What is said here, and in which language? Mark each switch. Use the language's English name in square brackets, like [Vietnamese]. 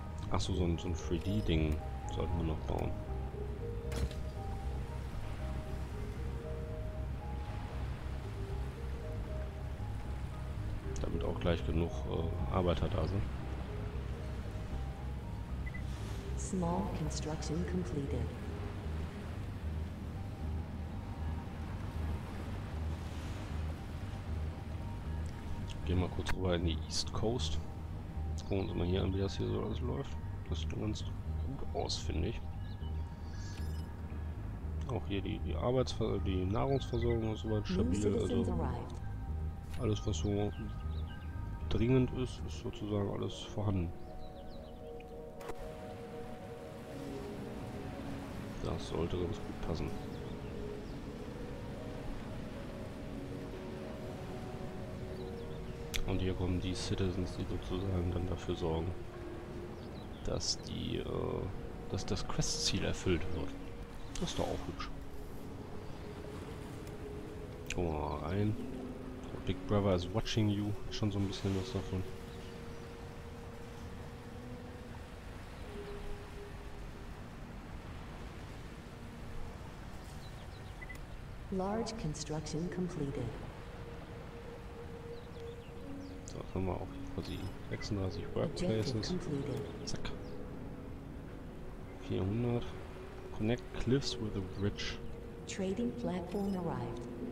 [German] Achso, so ein 3D-Ding sollten wir noch bauen. Damit auch gleich genug Arbeiter da sind. [English] Small construction completed. [German] Gehen mal kurz rüber in die East Coast. Gucken wir uns mal hier an, wie das hier so alles läuft. Das sieht ganz gut aus, finde ich. Auch hier die Nahrungsversorgung ist soweit stabil. Also alles, was so dringend ist, ist sozusagen alles vorhanden. Das sollte ganz gut passen. Und hier kommen die Citizens, die sozusagen dann dafür sorgen, dass dass das Questziel erfüllt wird. Das ist doch auch hübsch. Gucken wir mal rein. [English] Big Brother is watching you. [German] Schon so ein bisschen was davon. [English] Large construction completed. [German] Haben wir auch quasi 36 Workplaces. Zack. 400. [English] Connect Cliffs with a Bridge. Trading platform arrived.